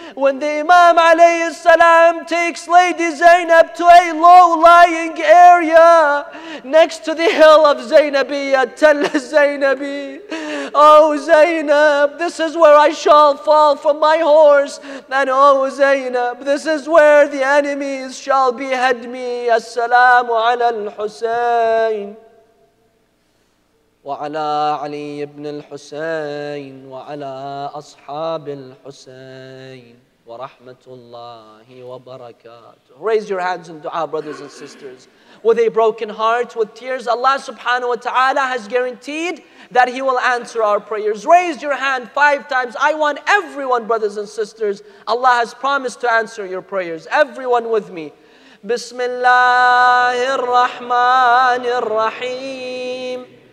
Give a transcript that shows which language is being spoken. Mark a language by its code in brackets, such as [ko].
[en] When the Imam alayhi salam takes Lady Zainab to a low-lying area next to the hill of Zainabiyya, Tal Zainabi. "Oh Zainab, this is where I shall fall from my horse. And oh Zainab, this is where the enemies shall behead me. As-salamu ala al-Husayn. [ar] وعلى علي بن الحسين وعلى أصحاب الحسين ورحمة الله وبركاته." [en] Raise your hands in dua, brothers and sisters. With a broken heart, with tears, Allah subhanahu wa ta'ala has guaranteed that He will answer our prayers. Raise your hand 5 times. I want everyone, brothers and sisters. Allah has promised to answer your prayers. Everyone with me. [ar] بسم الله الرحمن الرحيم.